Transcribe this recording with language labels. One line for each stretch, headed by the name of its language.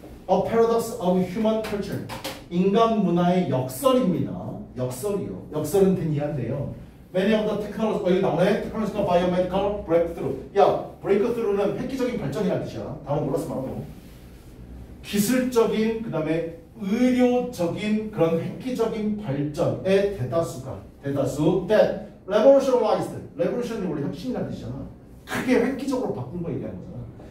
English: A paradox of human culture.
Korean: 인간 문화의 역설입니다. 역설이요. 역설은 된 이야기인데요.
English: Many of the technology,
Korean: 여기 나오네.
English: Technological, biomedical, breakthrough.
Korean: 야, breakthrough는 획기적인 발전이란 뜻이야. 다음은 몰랐으면 하고. 기술적인, 그 다음에 의료적인 그런 획기적인 발전의 대다수가, 대다수.
English: That, revolutionized.
Korean: Revolution이 원래 혁신이란 뜻이잖아. 크게 획기적으로 바꾼 거 얘기하는 거잖아.